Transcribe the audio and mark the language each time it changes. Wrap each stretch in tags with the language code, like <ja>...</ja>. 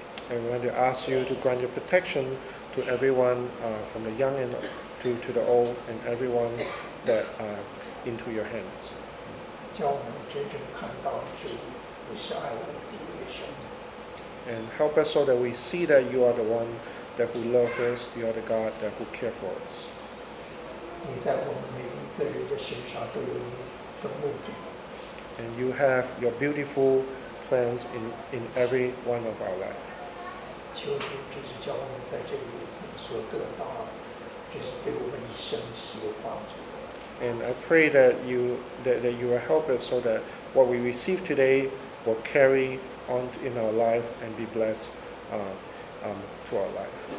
<en>And we want to ask you to grant your protection to everyone from the young and to the old and everyone that into your hands.</en> <zh>教我们真正看到主，你是爱我们的一位神。</zh> <en>And help us so that we see that you are the one that who loves us, you are the God that who cares for us.</en> <zh>你在我们每一个人的身上都有你的目的。</zh> <en>And you have your beautiful plans in every one of our life.</en> <zh>求主，这是叫我们在这里所得到，这是对我们一生是有帮助的。</zh> <en>And I pray that you will help us so that what we receive today will carry on in our life and be blessed to our life.</en>